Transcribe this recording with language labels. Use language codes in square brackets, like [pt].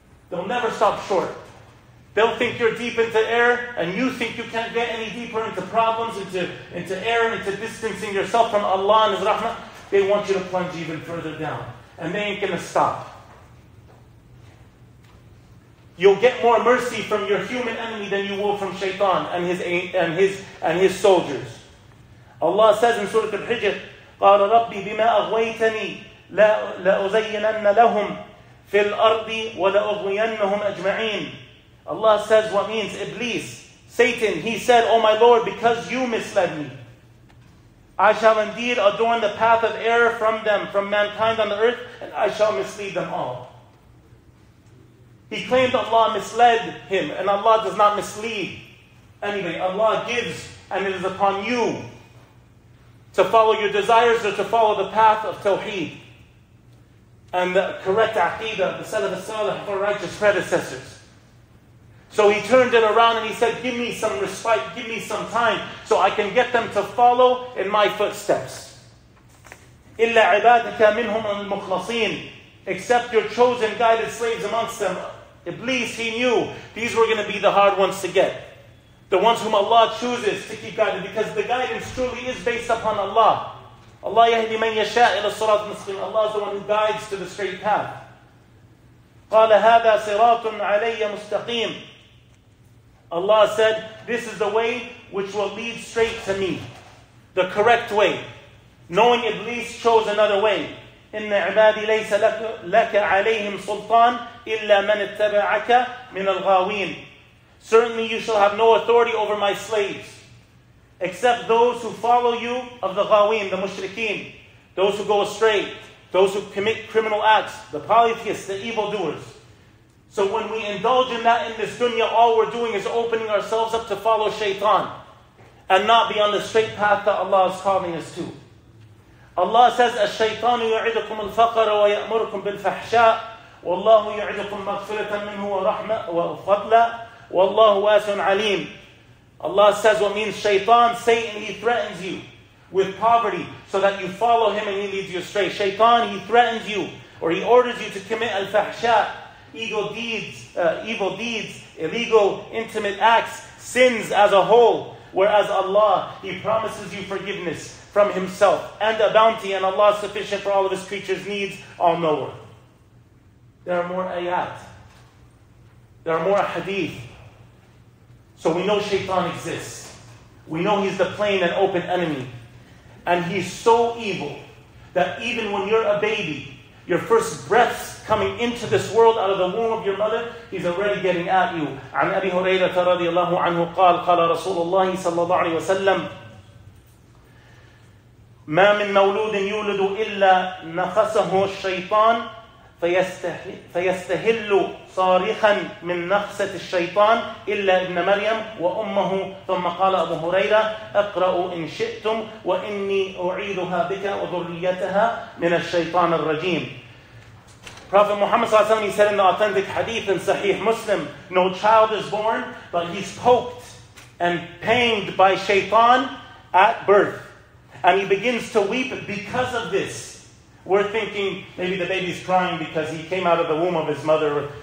[en] They'll never stop short. They'll think you're deep into error, and you think you can't get any deeper into problems, into error, into distancing yourself from Allah and His rahmah. They want you to plunge even further down. And they ain't gonna stop. You'll get more mercy from your human enemy than you will from Shaytan and his soldiers. Allah says in Surah Al-Hijr, [ar] قَالَ رَبِّي بِمَا أَغْوَيْتَنِي لَأُزَيِّنَنَّ لَهُمْ فِي الْأَرْضِ وَلَأُغْوِيَنَّهُمْ أَجْمَعِينَ. [en] Allah says what means Iblis, Satan, he said, oh my Lord, because you misled me, I shall indeed adorn the path of error from them, from mankind on the earth, and I shall mislead them all. He claimed Allah misled him, and Allah does not mislead anybody. Allah gives, and it is upon you to follow your desires or to follow the path of Tawheed. and the correct aqidah, the salaf al-salih of our righteous predecessors. So he turned it around and he said, give me some respite, give me some time, so I can get them to follow in my footsteps. [ar] إِلَّا عِبَادَكَ مِنْهُمْ الْمُخْلَصِينَ. [en] Except your chosen guided slaves amongst them. Iblis, he knew these were going to be the hard ones to get. The ones whom Allah chooses to keep guided, because the guidance truly is based upon Allah. [ar] Allah يَهْدِي مَنْ يَشَاءِ إِلَى الصِّرَاطِ الْمُسْتَقِيمِ. [en] Allah is the one who guides to the straight path. [ar] قَالَ هَذَا صِرَاطٌ عَلَيَّ مُسْتَقِيمٌ. [en] Allah said, this is the way which will lead straight to me. The correct way. Knowing Iblis chose another way. [ar] إِنَّ عِبَادِي لَيْسَ لَكَ عَلَيْهِمْ سُلْطَانٌ إِلَّا مَنِ اتَّبَعَكَ مِنَ الْغَاوِينَ. [en] Certainly you shall have no authority over my slaves, except those who follow you of the ghaween, the mushrikeen, those who go astray, those who commit criminal acts, the polytheists, the evildoers. So when we indulge in that in this dunya, all we're doing is opening ourselves up to follow shaytan, and not be on the straight path that Allah is calling us to. Allah says, [ar] أَشَّيْطَانُ يُعِدُكُمُ الْفَقَرَ وَيَأْمُرُكُمْ بِالْفَحْشَاءِ وَاللَّهُ يُعِدُكُمْ مَغْفِرَةً مِنْهُ وَرَحْمَةً وَفَضْلًا وَاللَّهُ وَاسِعٌ عَلِيمٌ. [en] Allah says what means shaytan, Satan, he threatens you with poverty so that you follow him and he leads you astray. Shaytan, he threatens you or he orders you to commit al-fahsha, evil deeds, illegal intimate acts, sins as a whole. Whereas Allah, he promises you forgiveness from himself and a bounty, and Allah is sufficient for all of his creatures' needs, all knower. There are more ayat. There are more hadith. So we know shaitan exists. We know he's the plain and open enemy. And he's so evil that even when you're a baby, your first breaths coming into this world out of the womb of your mother, he's already getting at you. [ar] عن أبي هريرة رضي الله عنه قال قال رسول الله صلى الله عليه وسلم ما من مولود يولد إلا نخسه الشيطان فيستهل صارخا من نخسة الشيطان إلا ابن مريم وأمه. ثم قال أبو هريرة أقرأوا إن شئتم وإني أعيدها بك وذريتها من الشيطان الرجيم. [en] Prophet Muhammad [ar] صلى الله عليه وسلم, [en] he said in the authentic hadith in Sahih Muslim, no child is born but he's poked and pained by shaitan at birth, and he begins to weep because of this. We're thinking maybe the baby's crying because he came out of the womb of his mother.